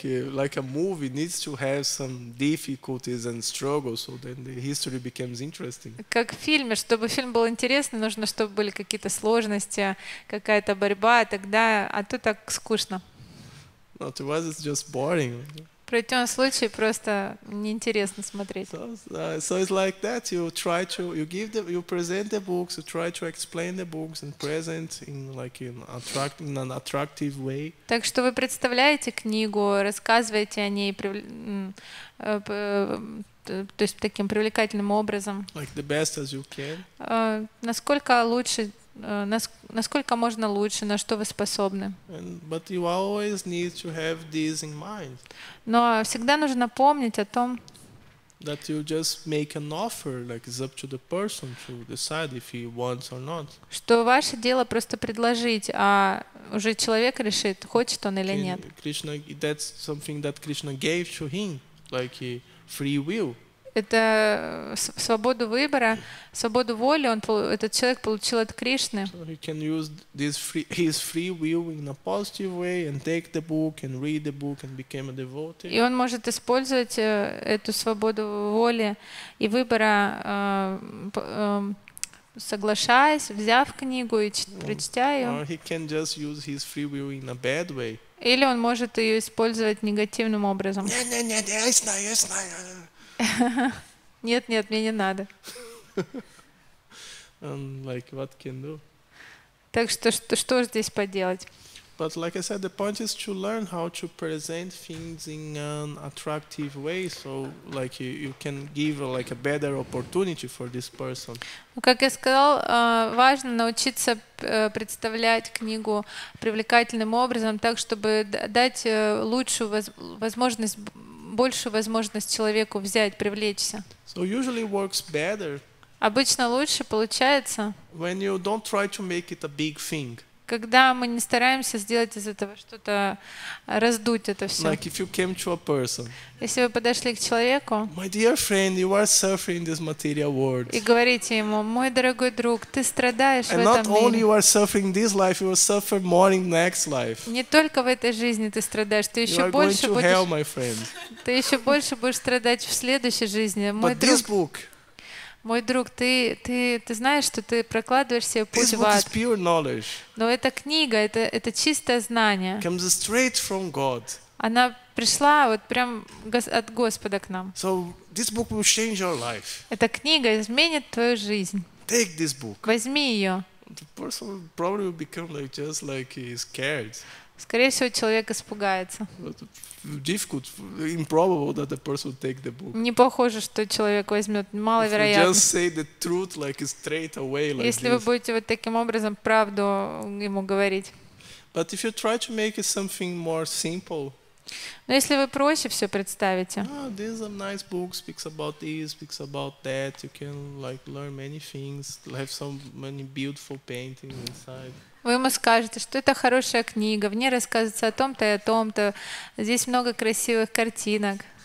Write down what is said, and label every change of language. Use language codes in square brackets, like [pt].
[en] Like a movie needs to have some difficulties and struggles, so then the history becomes interesting. [ru] Как в фильме, чтобы фильм был интересным, нужно, чтобы были какие-то сложности, какая-то борьба, тогда, а то так скучно. [en] No, to us it's just boring. [ru] В противном случае просто неинтересно смотреть. [en] So it's like that. You present the books, you try to explain the books and present in an attractive way. [ru] Так что вы представляете книгу, рассказываете о ней, то есть таким привлекательным образом. [en] Like the best as you can. [ru] Насколько лучше. Насколько можно лучше, на что вы способны. [en] But you always need to have this in mind. [ru] Но всегда нужно помнить о том, [en] that you just make an offer, like it's up to the person to decide if he wants or not. [ru] Что ваше дело просто предложить, а уже человек решит, хочет он или нет. [en] Krishna, that's something that Krishna gave to him, like free will. [ru] Это свободу выбора, свободу воли этот человек получил от Кришны. [en] So he can use his free will in a positive way and take the book and read the book and become a devotee. [ru] И он может использовать эту свободу воли и выбора, соглашаясь, взяв книгу и прочтя ее. [en] Or he can just use his free will in a bad way. [ru] Или он может ее использовать негативным образом. Нет, нет, мне не надо. [en] And what can do? [ru] Так что здесь поделать? [en] But like I said, the point is to learn how to present things in an attractive way, so like you can give like a better opportunity for this person. [ru] Как я сказал, важно научиться представлять книгу привлекательным образом, так чтобы дать лучшую возможность, большую возможность человеку взять, привлечься. [en] So usually works better. [ru] Обычно лучше получается. [en] When you don't try to make it a big thing. [ru] Когда мы не стараемся сделать из этого что-то, раздуть это все. [en] Like if you came to a person. [ru] Если вы подошли к человеку. [en] My dear friend, you are suffering this material world. [ru] И говорите ему: мой дорогой друг, ты страдаешь в этом мире. [en] And not only you are suffering this life, you will suffer more in next life. [ru] Не только в этой жизни ты страдаешь, ты еще больше будешь. [en] You are going to hell, my friend. [ru] Ты еще больше будешь страдать в следующей жизни, мой друг. [en] But this book. [ru] Мой друг, ты знаешь, что ты прокладываешь себе путь в ад. Но эта книга, это чистое знание. [en] Comes straight from God. [ru] Она пришла вот прям от Господа к нам. [en] So this book will change your life. [ru] Эта книга изменит твою жизнь. [en] Take this book. [ru] Возьми ее. [en] The person will probably become like just like he's scared. [ru] Скорее всего, человек испугается. [en] Difficult, improbable that the person will take the book. [ru] Не похоже, что человек возьмет, маловероятно. [en] Just say the truth like straight away. Like [ru] если [en] this. [ru] Вы будете вот таким образом правду ему говорить. [en] But if you try to make it something more simple. [ru] Но если вы проще все представите. [en] Oh, this is a nice book. Speaks about this, speaks about that. You can like learn many things. Have so many beautiful paintings inside. [ru] Вы ему скажете, что это хорошая книга, в ней рассказывается о том-то и о том-то. Здесь много красивых картинок.